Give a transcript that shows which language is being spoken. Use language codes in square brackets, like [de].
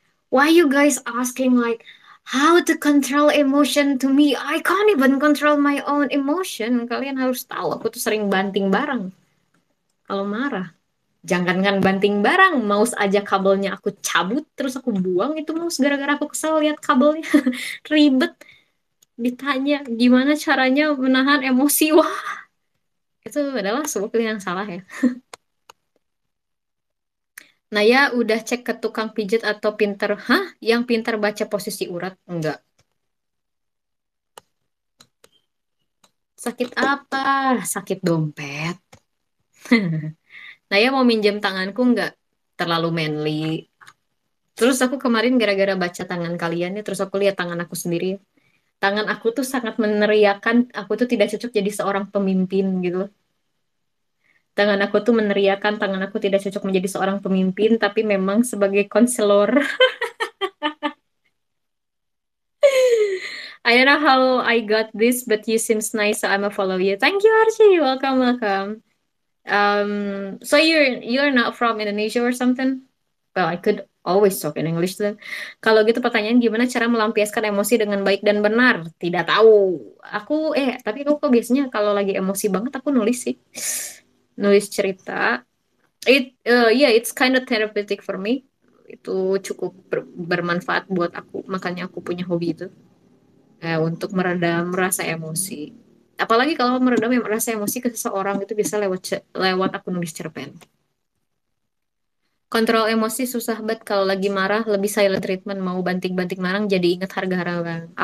[en] Why you guys asking like how to control emotion to me? I can't even control my own emotion. [id] Kalian harus tahu aku tuh sering banting barang. Kalau marah, jangankan banting barang, mouse aja kabelnya aku cabut terus aku buang itu mouse gara-gara aku kesel lihat kabelnya. Ribet. Ditanya gimana caranya menahan emosi. Wah. Itu adalah sebuah pilihan yang salah ya. Nah ya, udah cek ke tukang pijat atau pinter? Hah? Yang pinter baca posisi urat? Enggak. Sakit apa? Sakit dompet. Nah ya, mau minjem tanganku enggak? Terlalu manly. Terus aku kemarin gara-gara baca tangan kalian ya, terus aku lihat tangan aku sendiri. Tangan aku tuh sangat meneriakan, aku tuh tidak cocok jadi seorang pemimpin gitu. Tangan aku tuh meneriakan, tangan aku tidak cocok menjadi seorang pemimpin, tapi memang sebagai konselor. [en] I don't know how I got this, but you seems nice, so I'm a follow you. Thank you, Archie. Welcome, welcome. So you're not from Indonesia or something? Well, I could always talk in English then. [id] Kalau gitu pertanyaan, gimana cara melampiaskan emosi dengan baik dan benar? Tidak tahu. Tapi aku kok biasanya kalau lagi emosi banget, aku nulis sih. Nulis cerita, [en] it's kind of therapeutic for me. [id] Itu cukup bermanfaat buat aku, makanya aku punya hobi itu untuk meredam rasa emosi. Apalagi kalau meredam rasa emosi ke seseorang itu bisa lewat aku nulis cerpen. Kontrol emosi susah banget kalau lagi marah, lebih silent treatment, mau banting-banting marang jadi ingat harga-harga bang.